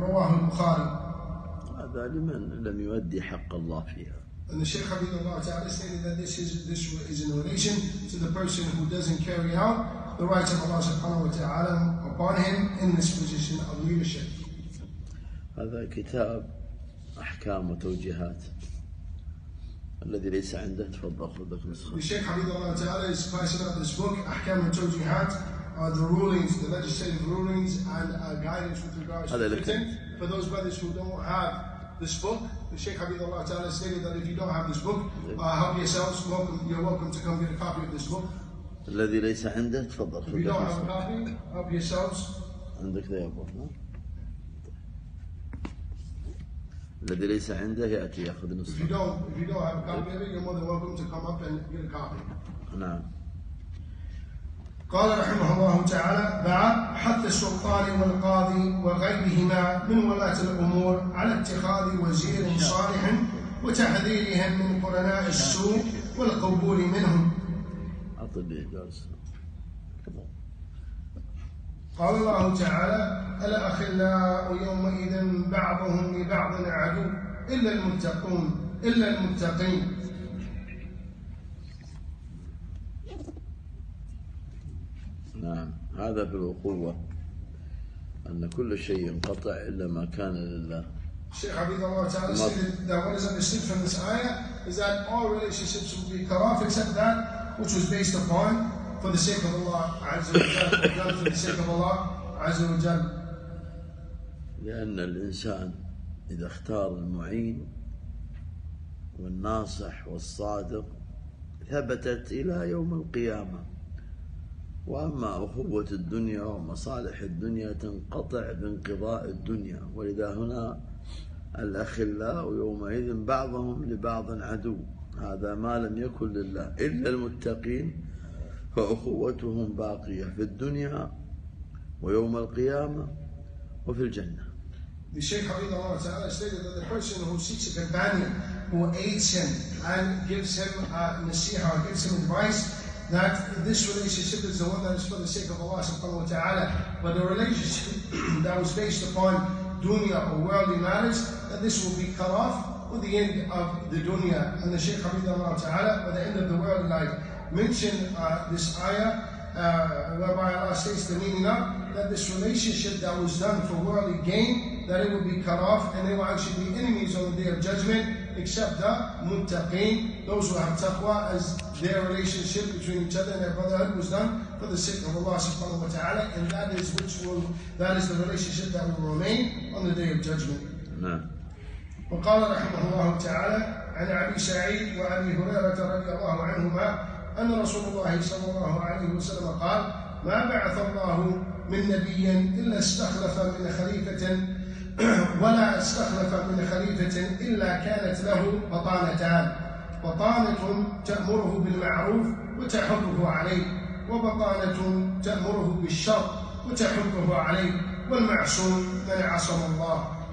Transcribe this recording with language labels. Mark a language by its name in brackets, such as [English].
[Arabic] رواه البخاري. هذا لمن لم يؤدي حق الله فيها. [English] And the Shaykh Habib Allah Ta'ala is saying that this is in relation to the person who doesn't carry out the rights of Allah Subhanahu wa Ta'ala upon him in this position of leadership. [Arabic] هذا كتاب أحكام وتوجيهات الذي ليس عنده تفضل خذ نسخة. [English] The Shaykh Habib Allah Ta'ala is passing out this book, أحكام وتوجيهات, the rulings, the legislative rulings and guidance with regards to content. For those brothers who don't have this book, the Shaykh Habib Allah Ta'ala stated that if you don't have this book, help yourselves, you're welcome to come get a copy of this book. [Arabic] الذي ليس عنده تفضل خذ. [English] If you don't have a copy, help yourselves. [Arabic] عندك ذا يا أبو. الذي ليس عنده يأتي يأخذ نسخة. [English] If you don't have a copy of it, you're more than welcome to come up and get a copy. [Arabic] نعم. قال رحمه الله تعالى بعد حث السلطان والقاضي وغيرهما من ولاة الأمور على اتخاذ وزير صالح وتحذيرهم من قرناء السوء والقبول منهم. أطبيه جالس. قال الله تعالى الأخلاء يومئذ بعضهم لبعض عدو إلا المتقين. نعم هذا في القوة أن كل شيء ينقطع إلا ما كان لله. الشيخ عبيد الله تعالى [English] said that what is understood from this ayah is that all relationships will be cut off except that which was based upon for the sake of Allah [Arabic] عز وجل. [English] For the sake of Allah [Arabic] عز وجل. لأن الإنسان إذا اختار المعين والناصح والصادق ثبتت إلى يوم القيامة. وأما أخوة الدنيا ومصالح الدنيا تنقطع بانقضاء الدنيا. ولذا هنا الأخلاء يومئذ بعضهم لبعض عدو. هذا ما لم يكن لله إلا المتقين فأخوتهم باقية في الدنيا ويوم القيامة وفي الجنة. [English] The Shaykh Habib Allah Ta'ala stated that the person who seeks a companion, who aids him and gives him nasiha, gives him advice, that this relationship is the one that is for the sake of Allah Subhanahu wa Ta'ala. But the relationship that was based upon dunya or worldly matters, that this will be cut off with the end of the dunya. And the Shaykh Habib Allah Ta'ala, by the end of the world life, mentioned this ayah, whereby Allah states the meaning of that this relationship that was done for worldly gain, that it would be cut off, and they will actually be enemies on the day of judgment, except the muttaqeen, those who have taqwa, as their relationship between each other and their brotherhood was done for the sake of Allah subhanahu wa ta'ala, and that is the relationship that will remain on the day of judgment. [Arabic] وقال رحمه الله تعالى عن أبي سعيد وأبي هريرة رضي الله عنهما أن رسول الله صلى الله عليه وسلم قال ما بعث الله من نبي إلا استخلف من خليفة ولا استخلف من خليفة إلا كانت له بطانتان, بطانة تأمره بالمعروف وتحضه عليه, وبطانة تأمره بالشر وتحضه عليه, والمعصوم من عصم الله.